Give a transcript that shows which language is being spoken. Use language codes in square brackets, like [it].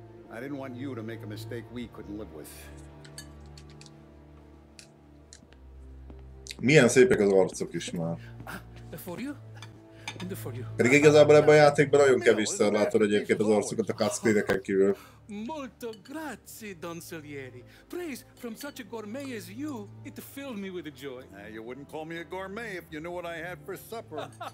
[en] I didn't want you to make a mistake we couldn't live with. [hu] Milyen szépek az arcok is már. [en] For you? And for you. [hu] Pedig igazából ebben a játékban nagyon kevésszer látod egyébként az arcokat a cutscreeneken kívül. [it] Molto grazie, Don Salieri. [en] Praise from such a gourmet as you, it filled me with joy. Now, you wouldn't call me a gourmet if you knew what I had for supper.